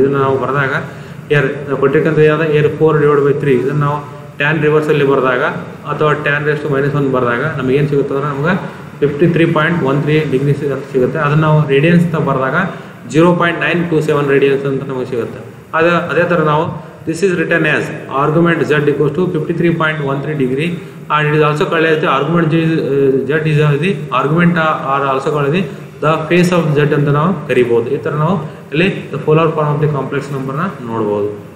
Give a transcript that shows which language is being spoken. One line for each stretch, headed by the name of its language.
Kannada: ಇದನ್ನು ನಾವು ಬರೆದಾಗ ಇಯರ್ ಕೊಟ್ಟಿರ್ಕಂತ ಏನಾದ್ರೆ ಇಯರ್ 4³ ಇದನ್ನು ನಾವು ಟ್ಯಾನ್ ರಿವರ್ಸಲ್ಲಿ ಬರೆದಾಗ ಅಥವಾ tan−1 ಬರೆದಾಗ ನಮಗೇನು ಸಿಗುತ್ತೆ ಅಂದರೆ ನಮಗೆ 53.13 ಡಿಗ್ರೀಸ್ ಅಂತ ಸಿಗುತ್ತೆ. ಅದನ್ನು ನಾವು ರೇಡಿಯನ್ಸ್ ಅಂತ ಬರೆದಾಗ 0.927 radians ಅಂತ ನಮಗೆ ಸಿಗುತ್ತೆ. ಅದೇ ತರ ನಾವು
English: this is written as argument z equals to 53.13 degree and it is also called as the argument z is the argument are also called as the face of z
Kannada: ಅಂತ ನಾವು ಕರೀಬಹುದು. ಈ ತರ ನಾವು ಇಲ್ಲಿ the polar form of the complex number ನ ನೋಡಬಹುದು.